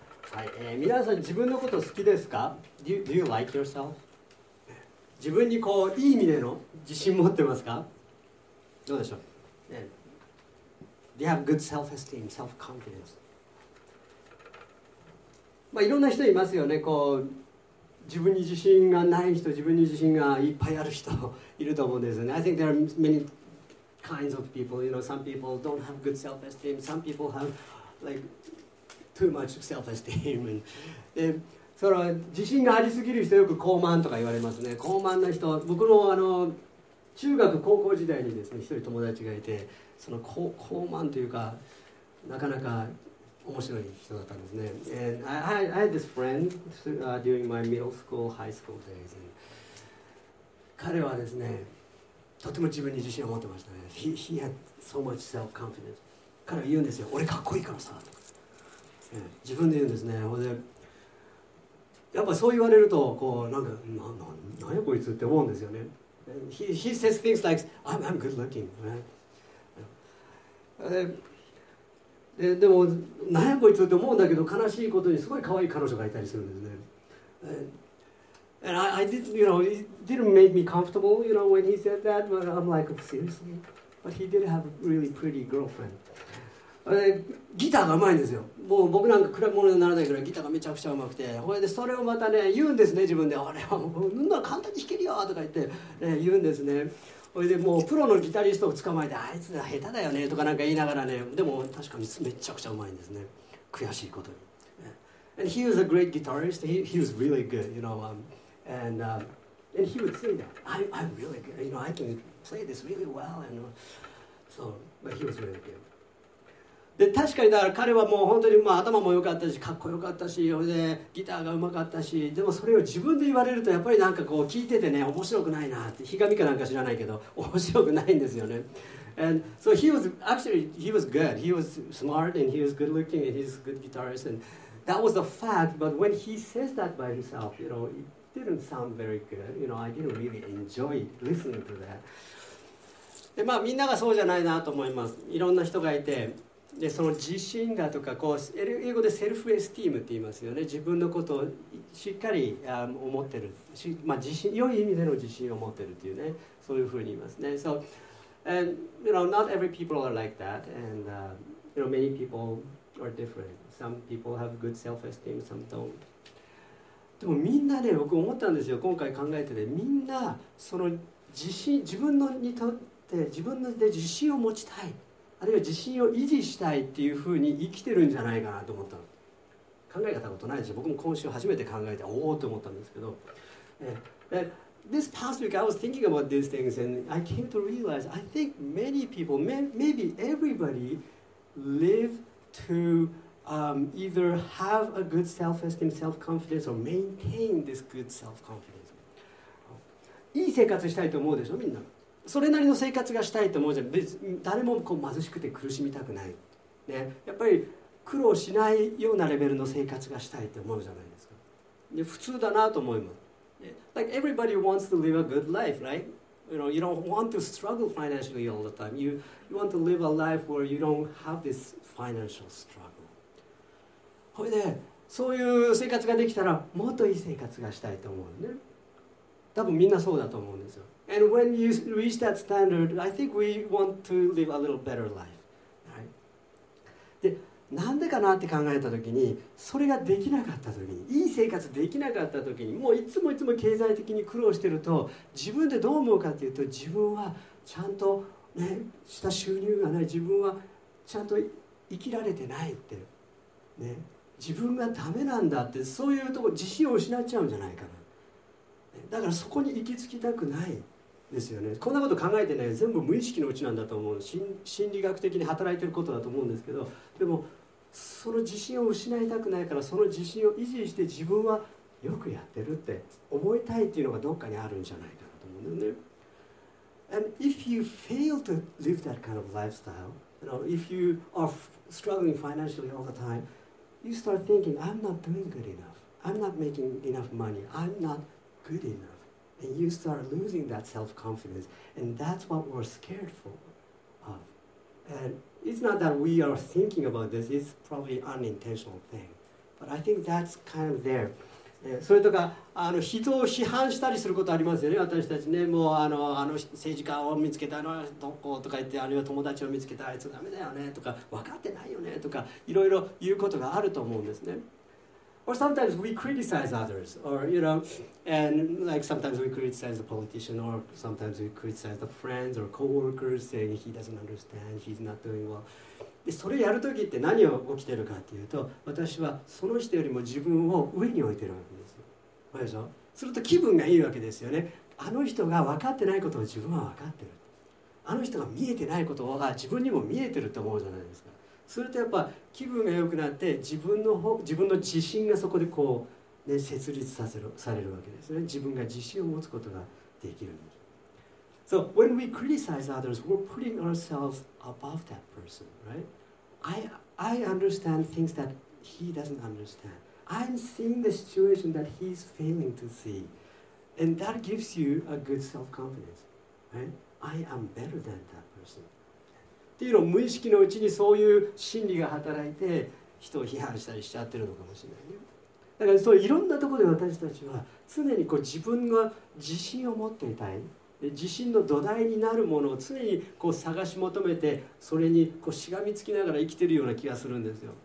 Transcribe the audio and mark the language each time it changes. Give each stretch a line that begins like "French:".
Japanese: はい、皆さん自分のこと好きですか？
English: Do you like yourself?
Japanese: 自分にこういい意味での自信持ってますか？どうでしょう、
English: Do you have good self-esteem, self-confidence?
Japanese: まあ、いろんな人いますよね。こう自分に自信がない人、自分に自信がいっぱいある人いると思うんですよね。
English: I think there are many kinds of people. You know, some people don't have good self-esteem. Some people have like too much self-esteem.
Japanese: And, その自信がありすぎる人、よく高慢とか言われますね。高慢な人、僕のあの中学高校時代にですね、一人友達がいて、その高慢というかなかなか面白い人だったんですね。
English: I had this friend during my middle school, high school days.
Japanese: 彼はですね、とても自分に自信を持ってましたね。
English: He had so much self-confidence.
Japanese: 彼は言うんですよ、俺かっこいいからさ。自分で言うんですね。やっぱそう言われると、こう、なんか、なんやこいつって思うんですよね。
English: He says things like, I'm good looking, right?
Japanese: でも何やこいつって思うんだけど、悲しいことにすごい可愛い彼女がいたりするんですね。
English: And I didn't, you know, it didn't make me comfortable, you know, when he said that, but I'm like, seriously? But he did have a really pretty girlfriend.
Japanese: ギターが上手いんですよ。もう僕なんか暗いものにならないぐらいギターがめちゃくちゃ上手くて、でそれをまたね、言うんですね、自分で。俺はもう簡単に弾けるよとか言って、ね、言うんですね。それでもうプロのギタリストを捕まえて、あいつは下手だよねとかなんか言いながらね、でも確かにめちゃくちゃうまいんですね、悔しいことに。
English: And he was a great guitarist, he was really good, you know, and he would say that, I'm really good, you know, I can play this really well, and so, but he was really good.
Japanese: で確かにだから彼はもう本当にまあ頭も良かったし、かっこよかったし、それでギターがうまかったし、でもそれを自分で言われるとやっぱりなんかこう聞いててね、面白くないなって、ひがみかなんか知らないけど面白くないんですよね。
English: And so he was actually, he was good, he was smart and he was good looking and he was a good guitarist, and that was a fact. But when he says that by himself, you know, it didn't sound very good, you know, I didn't really enjoy listening to that.
Japanese: でまあみんながそうじゃないなと思います。いろんな人がいて、でその自信だとか、こう英語でセルフエスティームって言いますよね。自分のことをしっかり思ってる、まあ、自信、良い意味での自信を持ってるっていうね、そういうふうに言いますね。
English: So, and, you know, not every people are like that, and you know, many people are different. Some people have good self-esteem, some don't.
Japanese: でもみんなね、僕思ったんですよ、今回考えてて、みんなその自信、自分のにとって自分で自信を持ちたい、あるいは自信を維持したいっていうふうに生きてるんじゃないかなと思ったの。考えたことないでしょ。僕も今週初めて考えて、おおって思ったんですけど。
English: This past week I was thinking about these things and I came to realize I think many people, maybe everybody live to either have a good self-esteem, self-confidence or maintain this good self-confidence.
Japanese: いい生活したいと思うでしょ、みんな。それなりの生活がしたいと思うじゃん。別誰もこう貧しくて苦しみたくない、ね、やっぱり苦労しないようなレベルの生活がしたいと思うじゃないですか。で普通だなと思います。
English: Like everybody wants to live a good life, right? You know, you don't want to struggle financially all the time. You want to live a life where you don't have this financial struggle.
Japanese: ほいで、そういう生活ができたらもっといい生活がしたいと思うね。多分みんなそうだと思うんですよ。
English: And when you reach that standard, I think we want to live a little better life.
Japanese: で、なんでかなって考えたときに、それができなかったときに、いい生活できなかったときに、もういつもいつも経済的に苦労してると、自分でどう思うかっていうと、自分はちゃんとね、した収入がない、自分はちゃんと生きられてないって、ね、自分がダメなんだって、そういうとこ、自信を失っちゃうんじゃないかな。だからそこに行き着きたくないですよね。こんなこと考えてね、全部無意識のうちなんだと思う。心理学的に働いてることだと思うんですけど、でもその自信を失いたくないから、その自信を維持して自分はよくやってるって思いたいっていうのがどっかにあるんじゃないかなと思うんだよね。
English: And if you fail to live that kind of lifestyle, you know, if you are struggling financially all the time, you start thinking, I'm not doing good enough. I'm not making enough money. I'm notgood enough, and you start losing that self-confidence, and that's what we're scared for. Of. And it's not that we are thinking about this, it's probably an unintentional thing. But I think that's kind of there.
Japanese: それとか人を批判したりすることありますよね。私たちね、もうあの政治家を見つけたのはどことか言って、あるいは友達を見つけたあいつダメだよねとか、分かってないよねとか、いろいろ言うことがあると思うんですね。
English: Or sometimes we criticize others, or you know, and like sometimes we criticize the politician, or sometimes we criticize the friends or coworkers, saying he doesn't understand, he's not doing well.
Japanese: で、それやるときって何が起きてるかっていうと、私はその人よりも自分を上に置いてるわけです。わかるでしょ？すると気分がいいわけですよね。あの人が分かってないことを自分は分かってる。あの人が見えてないことは自分にも見えてると思うじゃないですか。するとやっぱ気分が良くなって、自分の自信がそこでこう、ね、設立されるわけですね。自分が自信を持つことができるんです。
English: So when we criticize others, we're putting ourselves above that person, right? I understand things that he doesn't understand. I'm seeing the situation that he's failing to see. And that gives you a good self-confidence, right? I am better than that person.
Japanese: っていうのを無意識のうちにそういう心理が働いて人を批判したりしちゃってるのかもしれないね。だからそういろんなところで私たちは常にこう自分が自信を持っていたい、で自信の土台になるものを常にこう探し求めて、それにこうしがみつきながら生きてるような気がするんですよ。